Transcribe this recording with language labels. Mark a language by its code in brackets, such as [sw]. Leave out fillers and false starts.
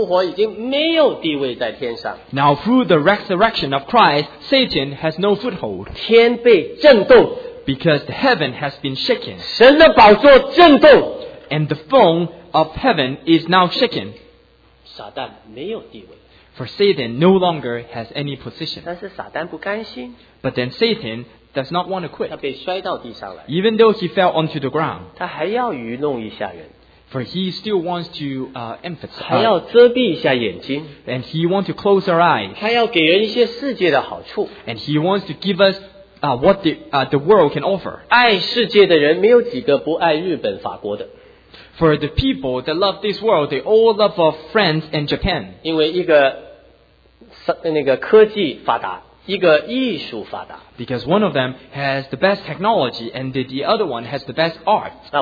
[zh] 撒旦因着耶稣基督从死里复活已经没有地位在天上。 [en] Now through the resurrection of Christ, Satan has no foothold. [zh] 天被震动, [en] because the heaven has been shaken. [zh] 神的宝座震动, [en] and the throne of heaven is now shaken. [zh] 撒旦没有地位。 [en] For Satan no longer has any position. [zh] 但是撒旦不甘心, [en] but then Satan does not want to quit. [zh] 他被摔到地上来, [en] even though he fell onto the ground. [zh] 他还要愚弄一下人, [en] for he still wants to emphasize. [zh] 还要遮蔽一下眼睛, [en] and he wants to close our eyes. [zh] 还要给人一些世界的好处, [en] and he wants to give us what the world can offer. [zh] 爱世界的人没有几个不爱日本法国的。 [en] For the people that love this world, they all love of France and Japan. [zh] 因为一个科技发达, 一个艺术发达, [en] because one of them has the best technology and the other one has the best art.